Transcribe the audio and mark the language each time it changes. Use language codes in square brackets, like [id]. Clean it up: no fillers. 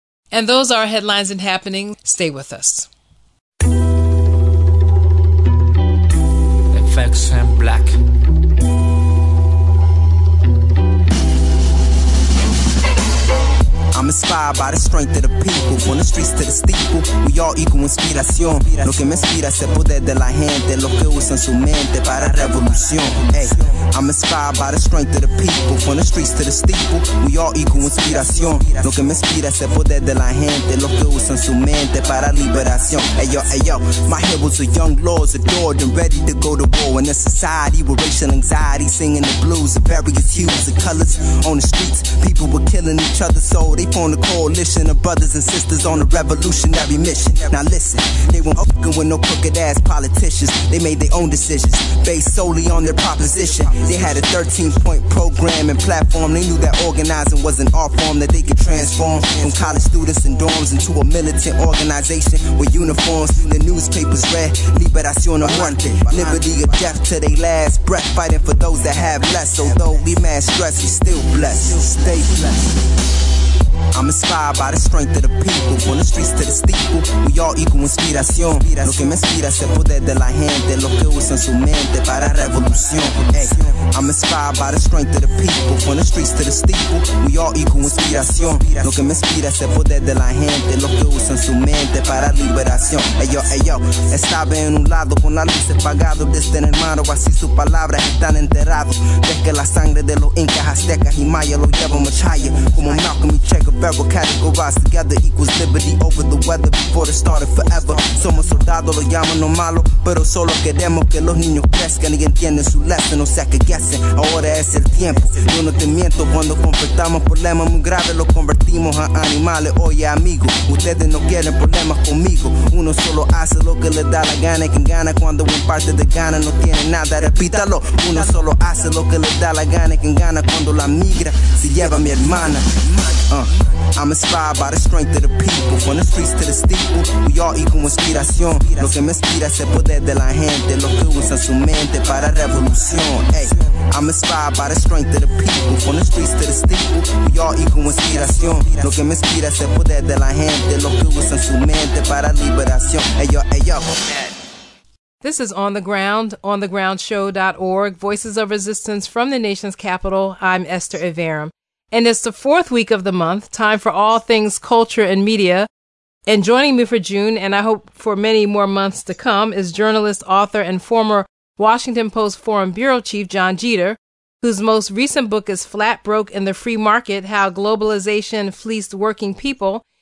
[en] And those are headlines and happening. Stay with us. And black. I'm inspired by the strength of the people. From the streets to the steeple, we all equal inspiración. [es] Lo que me inspira es el poder de la gente, lo que usa en su mente para revolución. Hey. [en] I'm inspired by the strength of the people. From the streets to the steeple, we all equal inspiración. [es] Lo que me inspira es el poder de la gente, lo que usa en su mente para liberación. [en] Ayo, ayo, my heroes are young lords, adored and ready to go to war. In a society with racial anxiety, singing the blues of various hues and colors. On the streets, people were killing each other, so they formed a coalition of brothers and sisters on a revolutionary mission. Now listen, they weren't fucking with no crooked ass politicians. They made their own decisions based solely on their proposition. They had a 13-point program and platform. They knew that organizing was an art form that they could transform from college students and dorms into a militant organization with uniforms. The newspapers read [es] Liberación no muerte, [en] liberty of death to their last breath, fighting for those that have less. Although we mad stress, we still blessed. Stay blessed. I'm inspired by the strength of the people. From the streets to the steeple, we all equal inspiración. Lo que me inspira es el poder de la gente, lo que usa en su mente para revolución. Hey. I'm inspired by the strength of the people. From the streets to the steeple, we all equal inspiración. Lo que me inspira es el poder de la gente, lo que usa en su mente para liberación. [es] Ayo, ayo, estaba en un lado con la luz apagado de este hermano. Así sus palabras están enterradas. Ves que la sangre de los incas, aztecas y mayas lo lleva [en] much higher. [es] Como Malcolm y Che Guevara [en] categorized together equals liberty over the weather before it started forever. [es] Somos soldados, lo llaman lo malo, pero solo queremos que los niños crezcan y entiendan su lesson. O sea que guessing, ahora es el tiempo. Yo no te miento, cuando confrontamos problemas muy graves los convertimos en animales. Oye amigo, ustedes no quieren problemas conmigo. Uno solo hace lo que le da la gana y quien gana cuando un parte de gana no tiene nada. Repítalo, uno solo hace lo que le da la gana y quien gana cuando la migra se lleva a mi hermana. [en] I'm inspired by the strength of the people. From the streets to the steeple, we all equal inspiración. [es] Lo que me inspira es el poder de la gente, lo que usa su mente para revolución. Hey. [en] I'm inspired by the strength of the people. From the streets to the steeple, we all equal inspiración. [es] Lo que me inspira es el poder de la gente, lo que usa su mente para liberación. Ayo, ayo. [en] This is On the Ground, ontheground.show.org, Voices of Resistance from the nation's capital. I'm Esther Ivarum. And it's the fourth week of the month, time for all things culture and media. And joining me for June, and I hope for many more months to come, is journalist, author, and former Washington Post Foreign Bureau Chief John Jeter, whose most recent book is Flat Broke in the Free Market, How Globalization Fleeced Working People.